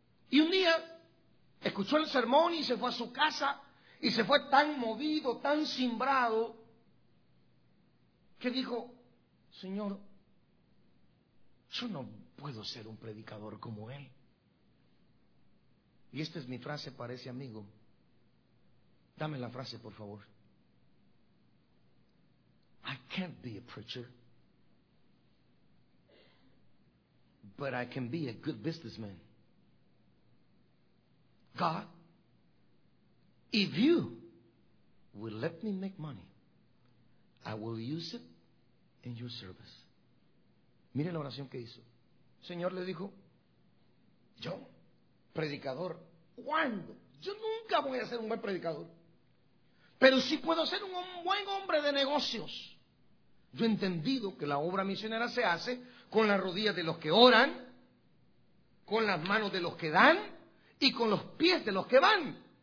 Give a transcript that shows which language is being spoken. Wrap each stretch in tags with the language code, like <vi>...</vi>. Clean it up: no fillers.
<es>Y un día escuchó el sermón y se fue a su casa y se fue tan movido, tan cimbrado, que dijo: Señor, yo no puedo ser un predicador como él. Y esta es mi frase para ese amigo. Dame la frase, por favor.</es> <en>I can't be a preacher, but I can be a good businessman. God, if you will let me make money, I will use it in your service.</en> <es>Mire la oración que hizo. Señor, le dijo, yo, predicador, ¿cuándo? Yo nunca voy a ser un buen predicador, pero sí puedo ser un buen hombre de negocios. Yo he entendido que la obra misionera se hace con las rodillas de los que oran, con las manos de los que dan y con los pies de los que van.</es>